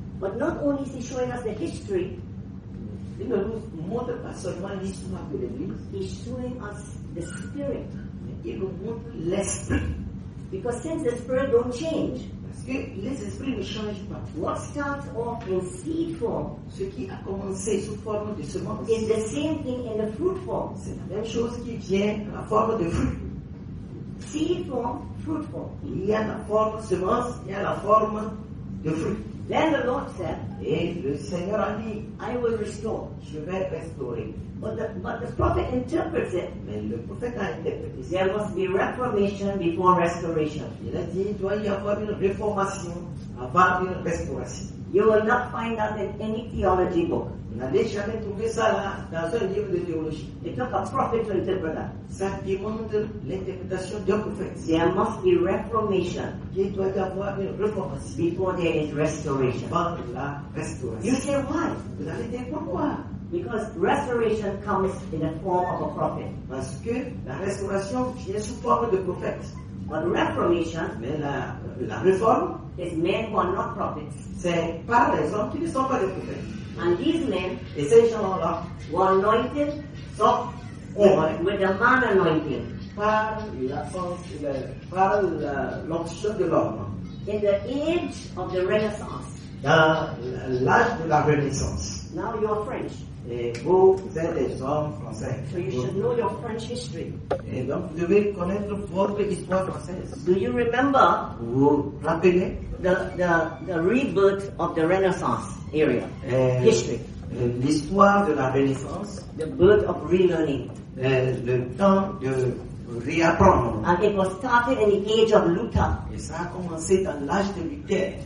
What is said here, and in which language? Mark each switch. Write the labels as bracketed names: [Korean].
[English] But not only is he showing us the history. [French] Il ne nous montre pas seulement l'histoire de l'église. [English] He's showing us the spirit. [French] Il nous montre l'esprit. [English] Because since the spirit don't change, [French] l'esprit ne change pas. [English] What starts off in seed form, [French] ce qui a commencé sous forme de semence, [English] is the same thing in the fruit form. [French] C'est la même chose qui vient à la forme de fruit. [English] Seed form, fruit form. [French] Il y a la forme semence, il y a la forme de fruit. [English] Then the Lord said, [French] et le Seigneur a dit, [English] I will restore. [French] Je vais restaurer. [English] But the prophet interprets it. [French] Mais le prophète a interprété. [English] There must be reformation before restoration. [French] Il a dit, il doit y avoir une réformation avant une restauration. [English] You will not find that in any theology book. [French] Vous n'allez jamais trouver ça là dans un livre de théologie. [English] It took a prophet to interpret that. [French] Ça demande l'interprétation d'un prophète. [English] There must be reformation. [French] Il doit y avoir une réformation [English] before there is restoration. [French] Avant la restauration. [English] You say why? [French] Vous allez dire pourquoi? [English] Because restoration comes in the form of a prophet. [French] Parce que la restauration vient sous forme de prophète. [English] But reformation, [French] mais la réforme, [English] is men who are not prophets. [French] C'est par les hommes qui ne sont pas des prophètes. [English] And these men, [French] et ces gens-là, [English] were anointed, [French] sont [English] anointed with the man anointing. [French] Par l'onction de l'homme. [English] In the age of the Renaissance. [French] Dans l'âge de la Renaissance. [English] Now you are French. [French] Et vous êtes des hommes français. [English] So you should know your French history. [French] Et donc vous devez connaître votre histoire française. [English] Do you remember? [French] Vous rappelez? [English] The rebirth of the Renaissance area. History. [French] L'histoire de la Renaissance. [English] The birth of relearning. [French] Le temps de réapprendre. [English] And it was started in the age of Luther. [French] Et ça a commencé dans l'âge de Luther.